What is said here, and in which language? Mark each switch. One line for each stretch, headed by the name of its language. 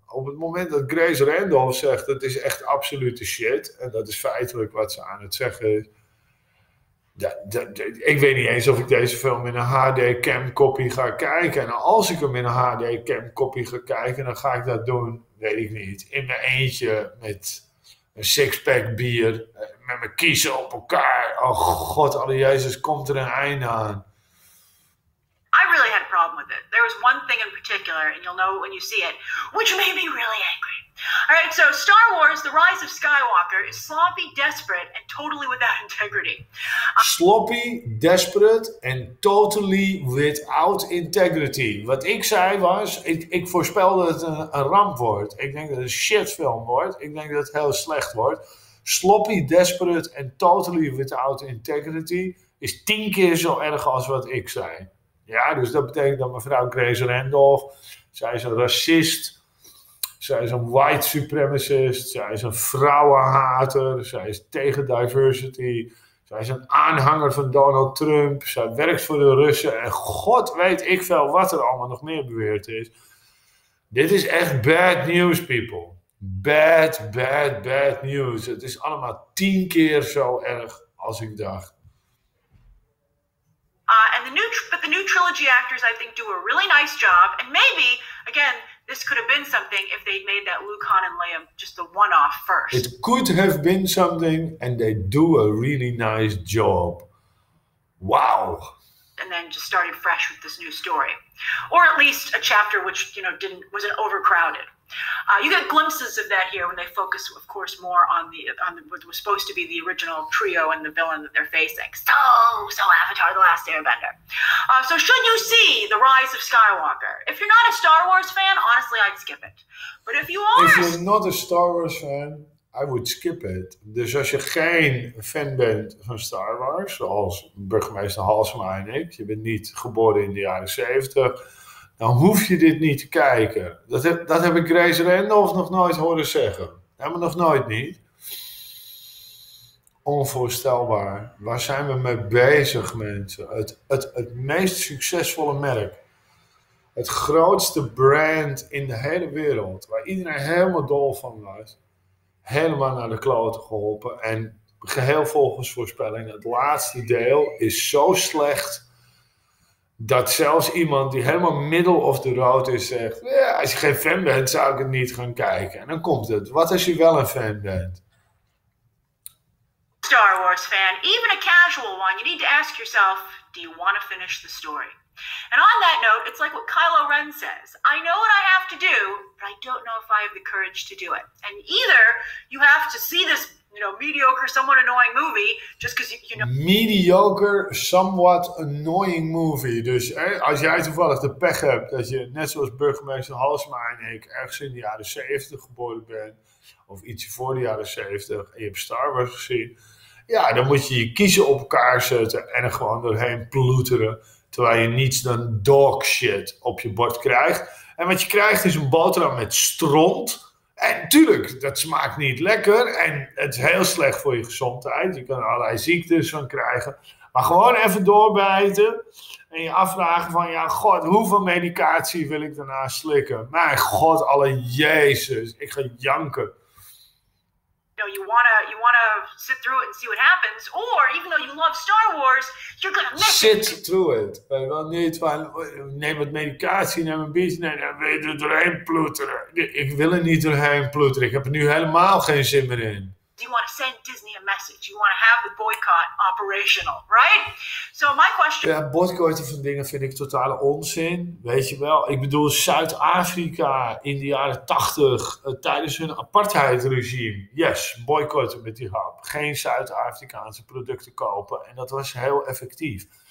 Dutch: Op het moment dat Grace Randolph zegt, het is echt absolute shit, en dat is feitelijk wat ze aan het zeggen is, ik weet niet eens of ik deze film in een HD cam copy ga kijken. En als ik hem in een HD cam copy ga kijken, dan ga ik dat doen, weet ik niet, in mijn eentje met een sixpack bier, met mijn kiezen op elkaar. Oh god, alle Jezus, komt er een einde aan.
English: I really had a problem with it. There was one thing in particular, and you'll know it when you see it, which made me really angry. All right, so Star Wars, The Rise of Skywalker, is sloppy, desperate, and totally without integrity. Sloppy, desperate, and totally without integrity.
Dutch: Wat ik zei was, ik voorspelde dat het een ramp wordt. Ik denk dat het een shitfilm wordt. Ik denk dat het heel slecht wordt.
English: Sloppy, desperate, and totally without integrity
Dutch: is 10 keer zo erg als wat ik zei. Ja, dus dat betekent dat mevrouw Grace Randolph, zij is een racist. Zij is een white supremacist, zij is een vrouwenhater, zij is tegen diversity, zij is een aanhanger van Donald Trump, zij werkt voor de Russen en god weet ik veel wat er allemaal nog meer beweerd is. Dit is echt
English: bad news, people. Bad, bad, bad news.
Dutch: Het is allemaal 10 keer zo erg als ik dacht.
English: The new trilogy actors, I think, do a really nice job, and maybe, again, this could have been something if they'd made that Luke, Han, and Leia just the one-off first. It could have been something, and they do a really nice job. Wow. And then just started fresh with this new story. Or at least a chapter which, you know, wasn't overcrowded. You get glimpses of that here when they focus, of course, more on the what was supposed to be the original trio and the villain that they're facing. So Avatar, The Last Airbender. So should you see The Rise of Skywalker? If you're not a Star Wars fan, honestly, I'd skip it. But if you are... If you're not a Star Wars fan, I would skip it.
Dutch: Dus als je geen fan bent van Star Wars, zoals burgemeester Halsema en ik, je bent niet geboren in de jaren 70, dan hoef je dit niet te kijken. Dat heb ik Grace Randolph nog nooit horen zeggen. Helemaal nog nooit niet. Onvoorstelbaar. Waar zijn we mee bezig, mensen? Het meest succesvolle merk. het grootste brand in de hele wereld, waar iedereen helemaal dol van was, helemaal naar de kloten geholpen. En geheel volgens voorspelling, het laatste deel is zo slecht, dat zelfs iemand die helemaal
English: middle of the road
Dutch: is, zegt, ja, als je geen fan bent, zou ik het niet gaan kijken. En dan komt het, wat als je wel een fan bent?
English: Star Wars fan, even a casual one, you need to ask yourself, do you want to finish the story? And on that note, it's like what Kylo Ren says. I know what I have to do, but I don't know if I have the courage to do it. And either you have to see this, you know, mediocre, somewhat annoying movie, just because you, you know... Mediocre, somewhat annoying movie.
Dutch: Dus als jij toevallig de pech hebt, dat je net zoals burgemeester Halsema en ik ergens in de jaren 70 geboren bent, of ietsje voor de jaren 70, en je hebt Star Wars gezien, ja, dan moet je je kiezen op elkaar zetten en er gewoon doorheen ploeteren. Terwijl je niets dan dog shit op je bord krijgt. En wat je krijgt is een boterham met stront. En tuurlijk, dat smaakt niet lekker. En het is heel slecht voor je gezondheid. Je kan allerlei ziektes van krijgen. Maar gewoon even doorbijten. En je afvragen van, ja god, hoeveel medicatie wil ik daarna slikken? Mijn god, alle Jezus, ik ga janken.
English: You know, you wanna sit through it and see what happens, or even though you love Star Wars, you're gonna miss sit through it.
Dutch: Wij wel niet van, neem wat medicatie, neem een biertje, nee, dan wil je er doorheen ploeteren. Ik wil er niet doorheen ploeteren, ik heb er nu helemaal geen zin meer in.
English: Do you wanna send Disney a message? You wanna have the boycott operational, right? So my question...
Dutch: Ja, boycotten van dingen vind ik totale onzin. Weet je wel, ik bedoel Zuid-Afrika in de jaren 80 tijdens hun apartheidregime. Yes, boycotten met die hap. Geen Zuid-Afrikaanse producten kopen. En dat was heel effectief.